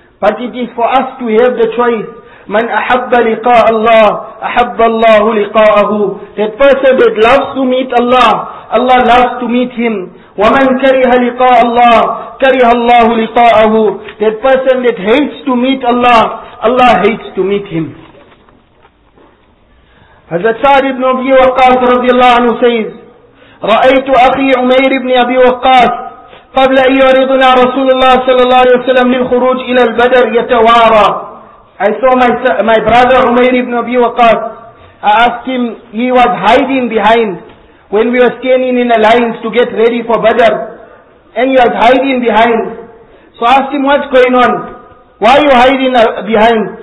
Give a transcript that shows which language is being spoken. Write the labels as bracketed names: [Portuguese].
[English] But it is for us to have the choice. [Arabic] Man ahabba liqa'a Allah, ahabba Allahu liqa'ahu. [English] That person that loves to meet Allah, Allah loves to meet him. [Arabic] وَمَنْ كَرِهَ لِقَاءَ اللَّهِ كَرِهَ اللَّهُ لِقَاءَهُ. [English] That person that hates to meet Allah, Allah hates to meet him. Hazrat Sa'd ibn Abi Waqqas radiallahu anhu says, [Arabic] رَأَيْتُ أَخِي عُمَيْرِ ابْنِ أَبِي وَقَّاسِ قَبْلَ أَيُّ عَرِضُنَا رَسُولُ اللَّهِ صَلَى اللَّهِ عَلَيْهِ وَسَلَمْ لِلْخُرُوجِ إِلَى الْبَدَرِ يَتَوَارَى. [English] I saw my brother Umayr ibn Abi Waqqas. I asked him, he was hiding behind when we were standing in a line to get ready for Badr, and he was hiding behind. So I asked him, what's going on? Why are you hiding behind?